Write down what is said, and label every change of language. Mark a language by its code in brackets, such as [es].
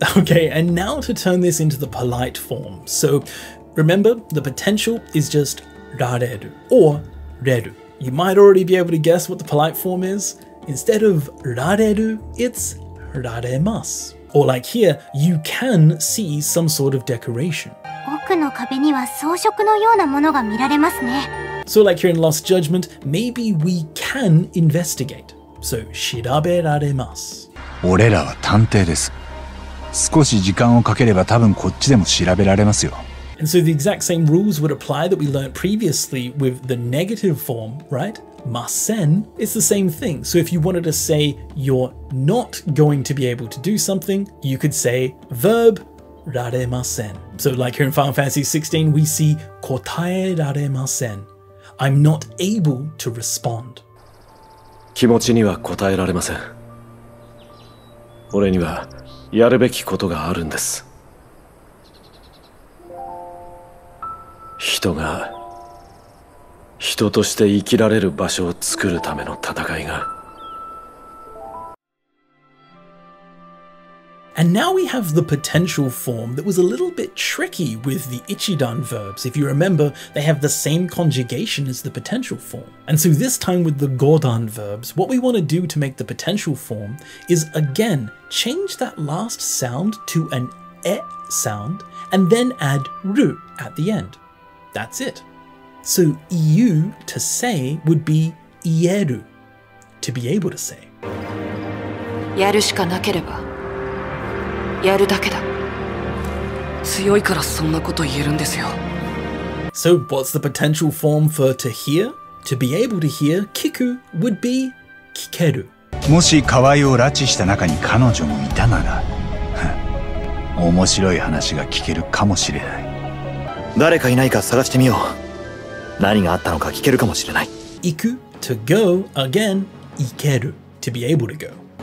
[en] Okay, and now to turn this into the polite form. So remember, the potential is just られる or れる. You might already be able to guess what the polite form is. Instead of られる, it's られます. Or like here, you can see some sort of decoration. [ja] 奥の壁には装飾のようなものが見られますね。 [en] So like here in Lost Judgment, maybe we can investigate. [ja] So, 調べられます。俺らは探偵です。少し時間をかければ多分こっちでも調べられますよ。 [en] And so the exact same rules would apply that we learned previously with the negative form, right? Masen, it's the same thing. So if you wanted to say you're not going to be able to do something, you could say verb られません. So like here in Final Fantasy 16, we see 答えられません. I'm not able to respond. [ja] 気持ちには答えられません。俺にはやるべきことがあるんです。人が人として生きられる場所を作るための戦いが。 [en] And now we have the potential form that was a little bit tricky with the ichidan verbs. If you remember, they have the same conjugation as the potential form. And so this time with the godan verbs, what we want to do to make the potential form is again change that last sound to an e sound and then add ru at the end. That's it. So iu to say would be ieru, to be able to say. [ja] やるしかなければ。やるだけだ。強いからそんなこと言えるんですよ。 [en] So what's the potential form for to hear? To be able to hear, 聞く would be 聞ける。 [ja] もし河合を拉致した中に彼女もいたなら、面白い話が聞けるかもしれない。誰かいないか探してみよう。何があったのか聞けるかもしれない。 [en] 行く、to go, again, 行ける、to be able to go。